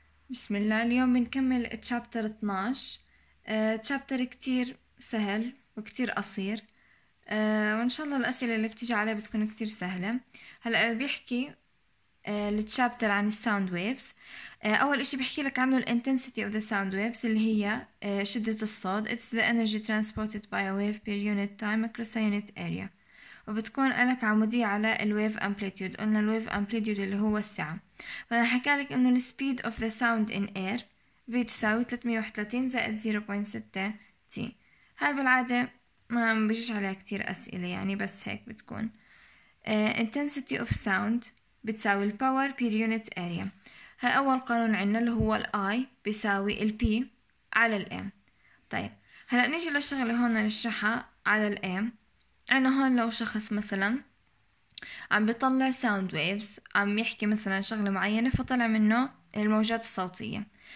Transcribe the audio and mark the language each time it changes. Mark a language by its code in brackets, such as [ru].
[ar] بسم الله، اليوم بنكمل تشابتر 12. تشابتر كتير سهل وكتير قصير، وإن شاء الله الأسئلة اللي بتيجي عليه بتكون كتير سهلة. هلأ اللي بيحكي التشابتر عن الساوند ويفز، أول إشي بيحكي لك عنه الـ [en] intensity of the sound waves [ar] اللي هي شدة الصوت. [en] It's the energy transported by a wave per unit time across a unit area، [ar] وبتكون لك عمودية على الـ [en] wave amplitude. [ar] قلنا الـ wave amplitude اللي هو السعة. فأنا حكى لك إنه الـ [en] speed of the sound in air [ar] v تساوي 331 زائد 0.6 t. هاي بالعادة ما بيجيش عليها كتير أسئلة، يعني بس هيك بتكون. [en] intensity of sound [ar] بتساوي الـ [en] power per unit area. [ar] هاي أول قانون عندنا اللي هو الـ I بيساوي الـ P على الـ M. طيب هلأ نيجي للشغلة هون نشرحها على الـ M. عنا هون لو شخص مثلا عم بيطلع sound waves، عم يحكي مثلا شغلة معينة، فطلع منه الموجات الصوتية.